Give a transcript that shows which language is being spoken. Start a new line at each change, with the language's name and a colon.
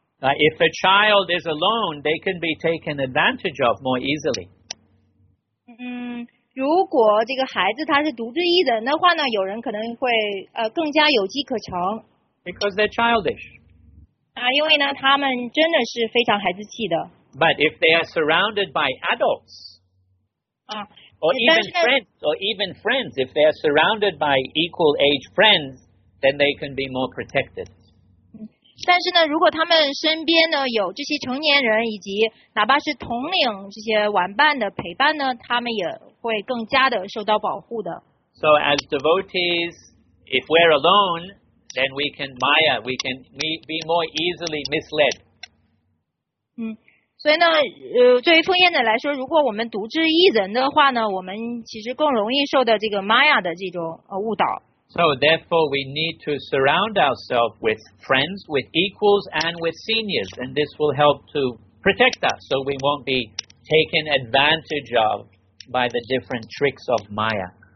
English: If a child is alone, they can be taken advantage of more easily.
Chinese: 如果这个孩子他是独自一人的话呢，有人可能会更加有机可乘。
English: Because they're childish.
Chinese: 因为呢，他们真的是非常孩子气的。
English: But if they are surrounded by adults, or even friends, if they are surrounded by equal age friends, then they can be more protected.
Chinese: 但是呢，如果他们身边呢有这些成年人以及哪怕是统领这些玩伴的陪伴呢，他们也会更加的受到保护的。
English: So as devotees, if we're alone, then we can maya, we can be more easily misled.
Chinese: 嗯，所以呢，对于奉献者来说，如果我们独自一人的话呢，我们其实更容易受到这个 maya 的这种误导。
English: So therefore, we need to surround ourselves with friends, with equals, and with seniors, and this will help to protect us, so we won't be taken advantage of by the different tricks of Maya.